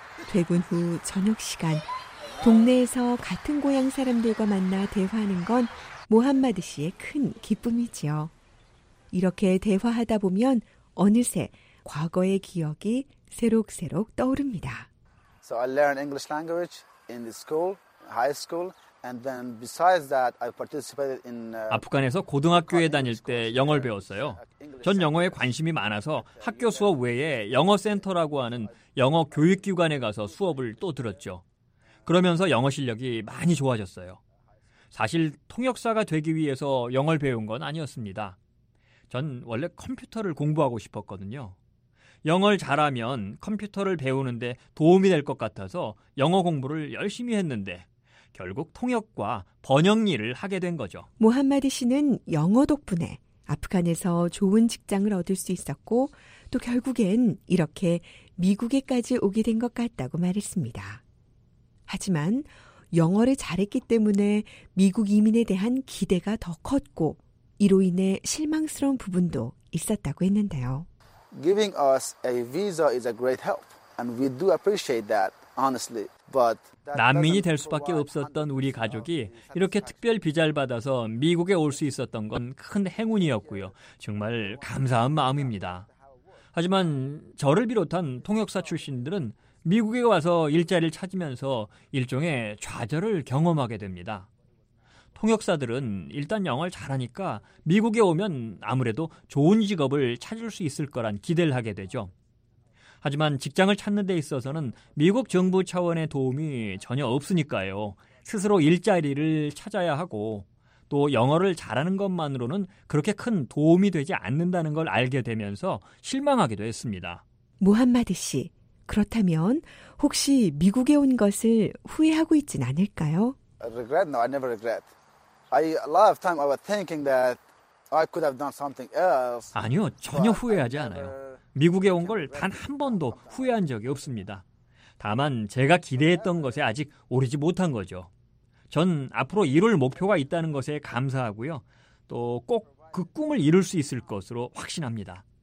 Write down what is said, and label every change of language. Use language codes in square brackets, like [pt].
[ko] 퇴근 후 저녁 시간, 동네에서 같은 고향 사람들과 만나 대화하는 건 무함마드 씨의 큰 기쁨이지요. 이렇게 대화하다 보면 어느새 과거의 기억이 새록새록 떠오릅니다. [en] So I learned English language in the school, high school, and then besides that, I participated in. [ko] 아프간에서 고등학교에 다닐 때 영어를 배웠어요. 전 영어에 관심이 많아서 학교 수업 외에 영어 센터라고 하는 영어 교육기관에 가서 수업을 또 들었죠. 그러면서 영어 실력이 많이 좋아졌어요. 사실 통역사가 되기 위해서 영어를 배운 건 아니었습니다. 전 원래 컴퓨터를 공부하고 싶었거든요. 영어를 잘하면 컴퓨터를 배우는데 도움이 될 것 같아서 영어 공부를 열심히 했는데 결국 통역과 번영 일을 하게 된 거죠. 모하마드 씨는 영어 덕분에 아프간에서 좋은 직장을 얻을 수 있었고 또 결국엔 이렇게 미국에까지 오게 된 것 같다고 말했습니다. 하지만 영어를 잘했기 때문에 미국 이민에 대한 기대가 더 컸고 이로 인해 실망스러운 부분도 있었다고 했는데요. [en] Giving us a visa is a great help and we do appreciate that honestly. But [ko] 난민이 될 수밖에 없었던 우리 가족이 이렇게 특별 비자를 받아서 미국에 올 수 있었던 건 큰 행운이었고요. 정말 감사한 마음입니다. 하지만 저를 비롯한 통역사 출신들은 미국에 와서 일자리를 찾으면서 일종의 좌절을 경험하게 됩니다. 통역사들은 일단 영어를 잘하니까 미국에 오면 아무래도 좋은 직업을 찾을 수 있을 거란 기대를 하게 되죠. 하지만 직장을 찾는 데 있어서는 미국 정부 차원의 도움이 전혀 없으니까요. 스스로 일자리를 찾아야 하고 또 영어를 잘하는 것만으로는 그렇게 큰 도움이 되지 않는다는 걸 알게 되면서 실망하기도 했습니다. 무함마드 씨, 그렇다면 혹시 미국에 온 것을 후회하고 있진 않을까요? [en] Regret? No, I never regret. I a lot of time I was thinking that I could have done something else. [ko] 아니요, 전혀 후회하지 않아요. 미국에 온 걸 단 한 번도 후회한 적이 없습니다. 다만 제가 기대했던 것에 아직 오르지 못한 거죠. 전 앞으로 이룰 목표가 있다는 것에 감사하고요. 또 꼭 그 꿈을 이룰 수 있을 것으로 확신합니다.